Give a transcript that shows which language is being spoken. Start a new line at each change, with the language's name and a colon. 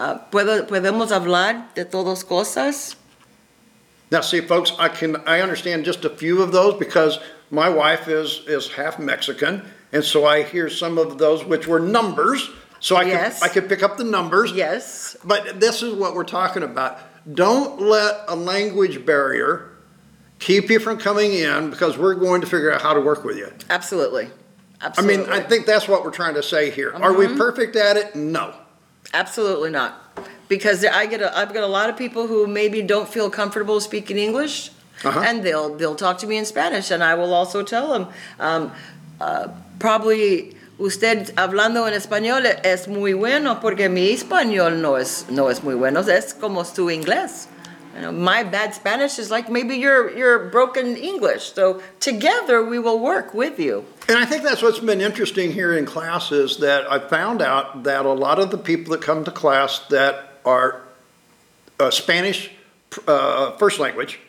Spanish: Podemos hablar de todas cosas.
English: Now, see, folks, I understand just a few of those because my wife is half Mexican, and so I hear some of those which were numbers. So I could pick up the numbers. Yes. But this is what we're talking about. Don't let a language barrier keep you from coming in, because we're going to figure out how to work with you. Absolutely. Absolutely. I mean, I think that's what we're trying to say here. Mm-hmm. Are we perfect at it? No. Absolutely not. Because I've got a lot of people who maybe don't feel comfortable speaking English. Uh-huh. And they'll talk to me in Spanish. And I will also tell them, probably...
Spanish: Usted hablando en español es muy bueno, porque mi español no es muy bueno. Es como su inglés.
English: You know, my bad Spanish is like maybe your broken English. So together we will work with you. And I think that's what's been interesting here in class, is that I found out that a lot of the people that come to class that are Spanish first language.